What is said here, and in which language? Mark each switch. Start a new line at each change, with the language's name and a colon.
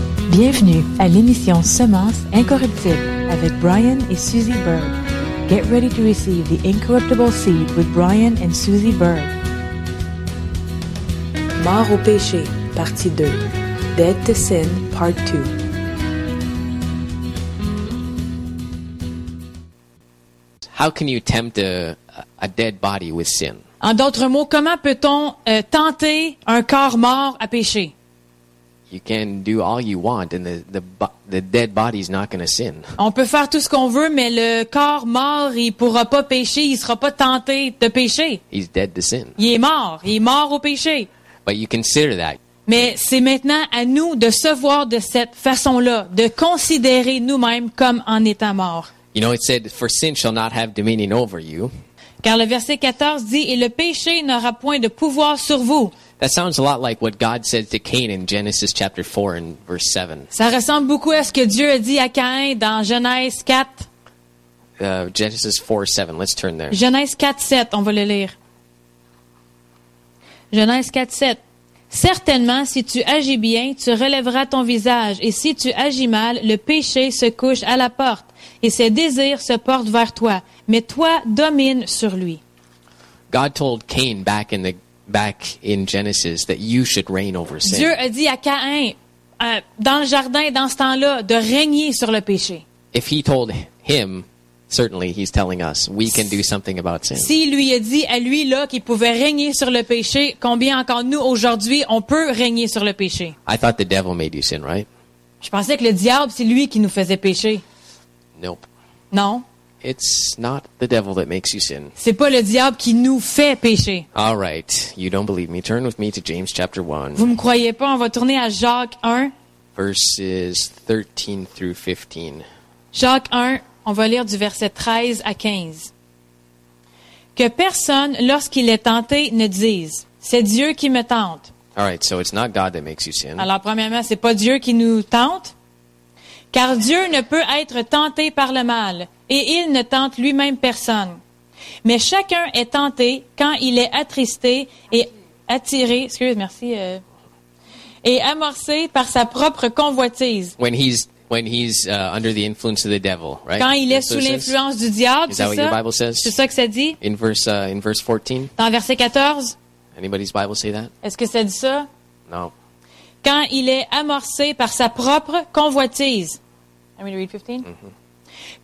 French: Bienvenue à l'émission Semences incorruptibles avec Brian et Susie Berg.
English: Get ready to receive the incorruptible seed with Brian and Susie Berg.
French: Mort au péché, partie 2.
English: Dead to Sin, part 2. How can you tempt a dead body with sin?
French: En d'autres mots, comment peut-on tenter un corps mort à péché?
English: You can do all you want, and the dead body is not going to sin.
French: On peut faire tout ce qu'on veut, mais le corps mort, il pourra pas pécher, il sera pas tenté de pécher.
English: He's dead to sin.
French: Il est mort au péché.
English: But you consider that.
French: Mais c'est maintenant à nous de se voir de cette façon-là, de considérer nous-mêmes comme en étant mort.
English: You know, it said, "For sin shall not have dominion over you."
French: Car le verset 14 dit, et le péché n'aura point de pouvoir sur vous.
English: That sounds a lot like what God said to Cain in Genesis chapter 4 and verse 7.
French: Ça ressemble beaucoup à ce que Dieu a dit à Caïn dans Genèse 4.
English: Genesis 4, 7. Let's turn there.
French: Genèse 4, 7. On va le lire. Genèse 4, 7. Certainement, si tu agis bien, tu relèveras ton visage. Et si tu agis mal, le péché se couche à la porte. Et ses désirs se portent vers toi. Mais toi, domine sur lui.
English: God told Cain back in Genesis that you should reign over sin.
French: Dieu a dit à Caïn dans le jardin dans ce temps-là de régner sur le péché.
English: If he told him, certainly he's telling us we can do something about sin.
French: S'il lui a dit à lui là qu'il pouvait régner sur le péché, combien encore nous aujourd'hui on peut régner sur le péché?
English: I thought the devil made you sin, right?
French: Je pensais que le diable c'est lui qui nous faisait pécher.
English: Nope.
French: Non.
English: It's not the devil that makes you sin.
French: C'est pas le diable qui nous fait pécher.
English: All right, you don't believe me. Turn with me to James chapter 1.
French: Vous me croyez pas, on va tourner à Jacques 1.
English: Verses 13 through 15.
French: Jacques 1, on va lire du verset 13 à 15. Que personne, lorsqu'il est tenté, ne dise, c'est Dieu qui me tente.
English: All right, so it's not God that makes you sin.
French: Alors premièrement, c'est pas Dieu qui nous tente. Car Dieu ne peut être tenté par le mal, et il ne tente lui-même personne. Mais chacun est tenté quand il est attristé et attiré, et amorcé par sa propre convoitise.
English: When he's under the influence of the devil, right?
French: Quand il est sous l'influence du diable, c'est ça?
English: Is that what your Bible says?
French: C'est ça que ça dit?
English: In verse 14?
French: Dans verset 14?
English: Anybody's Bible say that?
French: Est-ce que ça dit ça?
English: No.
French: Quand il est amorcé par sa propre convoitise.
English: I'm going to read 15. Mm-hmm.